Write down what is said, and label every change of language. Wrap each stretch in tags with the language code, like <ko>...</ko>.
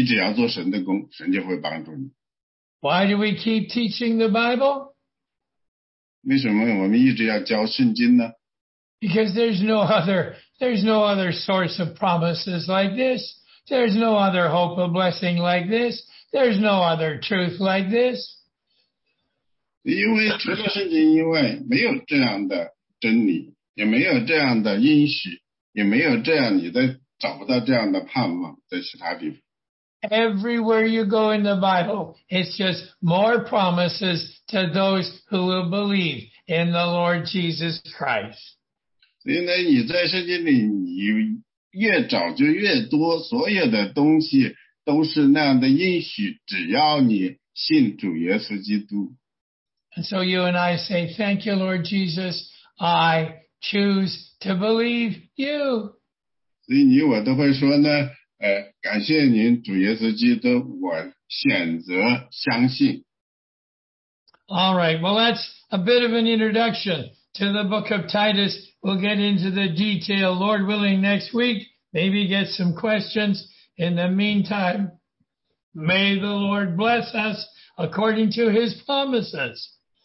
<zh>你只要相信我，我就会给你鼓励你，神就会给你赐福。所以呢，只要你去所有圣经里所有的应许都是那么讲的，就是说你只要做神的工，神就会帮助你。</zh> <en>Why do we keep teaching the Bible?</en> <zh>为什么我们一直要教圣经呢？</zh> <en>Because there's no other source of promises like this. There's no other hope of blessing like this. There's no other truth like this.</en> <zh>因为除了圣经以外，没有这样的真理，也没有这样的应许，也没有这样，你再找不到这样的盼望在其他地方。</zh> <en>Everywhere you go in the Bible, it's just more promises to those who will believe in the Lord Jesus Christ.</en> <zh>所以呢，你在圣经里，你越找就越多，所有的东西都是那样的应许，只要你信主耶稣基督。</zh> <en>And so you and I say, thank you, Lord Jesus, I choose to believe you.</en> <zh>所以你我都会说呢，感谢您主耶稣基督，我选择相信。</zh> <en>All right, well, that's a bit of an introduction to the book of Titus. We'll get into the detail, Lord willing, next week. Maybe get some questions. In the meantime, may the Lord bless us according to his promises.</en>